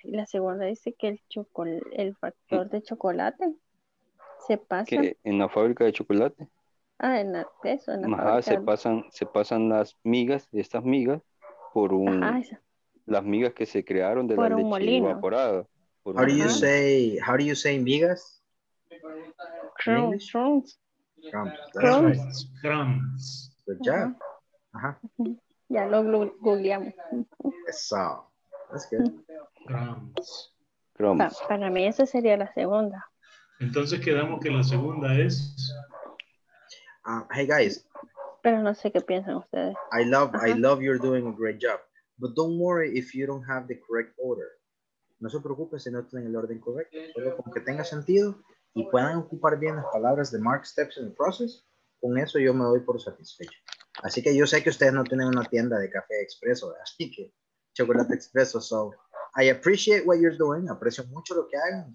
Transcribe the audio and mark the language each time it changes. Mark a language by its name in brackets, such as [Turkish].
[Spanish] Y la segunda dice que el factor de chocolate se pasa. ¿Qué? ¿En la fábrica de chocolate? Ah, en la, eso, en la ajá, fábrica. Se pasan las migas, estas migas, por un... Ajá, las migas que se crearon de por la leche molino. Evaporada. Por [English] how, do you say, how do you say migas? Crumbs. Crumbs. Crumbs. Crumbs. Good job. Uh-huh. [Spanish] Ya lo googleamos. [English] Eso. That's good. Crumbs. Crumbs. [Spanish] Para mí esa sería la segunda. Entonces quedamos que la segunda es... [English] Hey, guys. [Spanish] Pero no sé qué piensan ustedes. [English] I love you're doing a great job. But don't worry if you don't have the correct order. [Spanish] No se preocupe si no tienen el orden correcto. Solo con que tenga sentido y puedan ocupar bien las palabras de Mark Steps in the Process, con eso yo me doy por satisfecho. Así que yo sé que ustedes no tienen una tienda de café expreso, así que chocolate expreso. [English] So I appreciate what you're doing. [Spanish] Aprecio mucho lo que hagan.